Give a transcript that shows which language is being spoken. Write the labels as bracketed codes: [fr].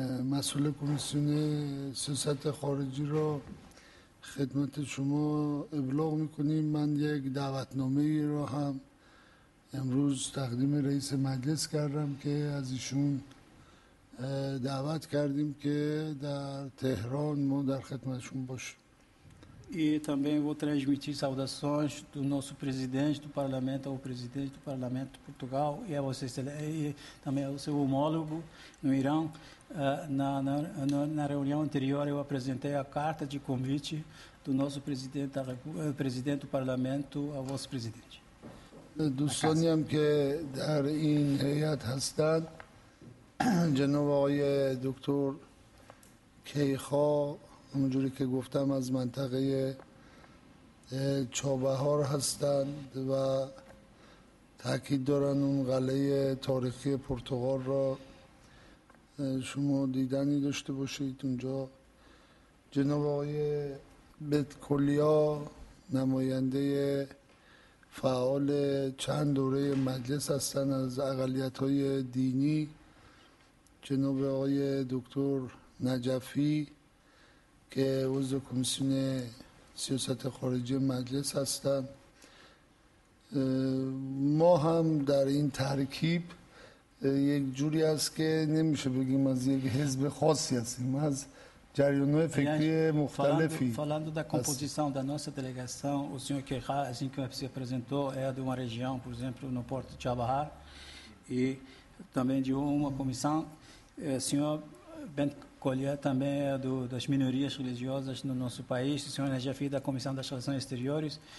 [fa] مسئول کمیسیون سیاست خارجی را خدمت شما ابلاغ میکنیم. من یک دعوتنامه ای را هم امروز تقدیم رئیس مجلس کردم که از ایشون دعوت کردیم که در تهران ما در خدمتشون باشیم. [pt] E também vou transmitir saudações do nosso presidente do parlamento ao presidente do parlamento de Portugal e a você, e também ao seu homólogo no Irã. Na reunião anterior eu apresentei a carta de convite do nosso presidente do parlamento ao vosso presidente. [fa] دوستانیم که در این هیئت هستند جناب آقای دکتر کیخا همونجوری که گفتم از منطقه چابهار هستند و تاکید دارن اون قلعه تاریخی پرتغال را شما دیدنی داشته باشید. اونجا جناب آقای بتکلیا نماینده فعال چند دوره مجلس هستند از اقلیت‌های دینی، جناب آقای دکتر نجفی که عضو کمیسیون سیاست خارجی مجلس هستند. ما هم در این ترکیب یک جوری است که نمیشه بگیم از یک حزب خاصی هستیم، از جریان‌های فکری مختلفی. [pt] Falando da composição da nossa delegação, o senhor Kerra, assim que se apresentou, é de uma região, por exemplo, no porto de Chabahar, e também de uma comissão. Senhor Bentkolia também é das minorias religiosas no nosso país, o senhor Najafi da Comissão das Relações Exteriores.